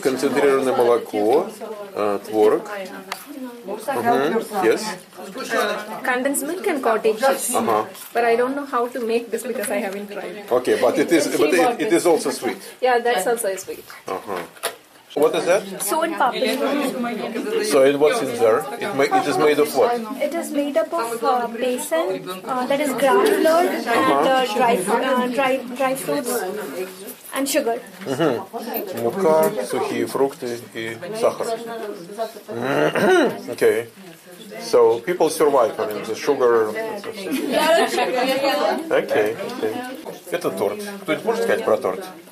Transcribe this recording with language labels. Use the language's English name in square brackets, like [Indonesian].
[Russian] Концентрированное молоко, творог. [English] Yes. Condensed milk and cottage cheese. But I don't know how to make this because I haven't tried. Okay, but it is also sweet. Yeah, that's also sweet. What is that? Soyan papri. So what's in there? It is made of what? It is made up of besan, that is ground flour, and dry fruits, and sugar. [Russian] Мука, сухие фрукты и сахар. [English] Okay. So people survive on the sugar. [Russian] Okay. Это торт. Кто-нибудь может сказать про торт?